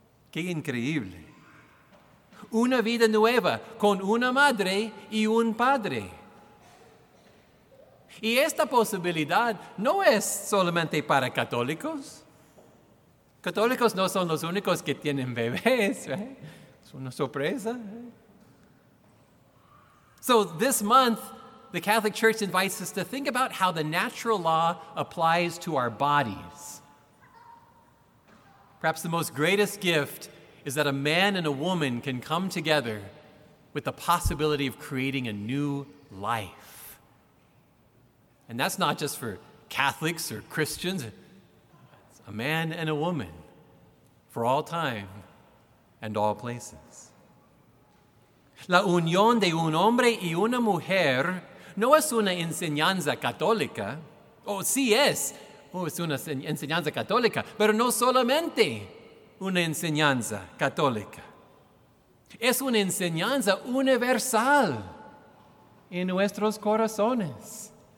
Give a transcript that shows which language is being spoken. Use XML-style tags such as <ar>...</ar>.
<es>¡Qué increíble! Una vida nueva con una madre y un padre. Y esta posibilidad no es solamente para católicos. Católicos no son los únicos que tienen bebés, ¿eh? Es una sorpresa,</es> <en>So this month, the Catholic Church invites us to think about how the natural law applies to our bodies. Perhaps the most greatest gift is that a man and a woman can come together with the possibility of creating a new life. And that's not just for Catholics or Christians. It's a man and a woman for all time and all places.</en> <es>La unión de un hombre y una mujer no es una enseñanza católica. Es una enseñanza católica, pero no solamente una enseñanza católica. Es una enseñanza universal en nuestros corazones.</es>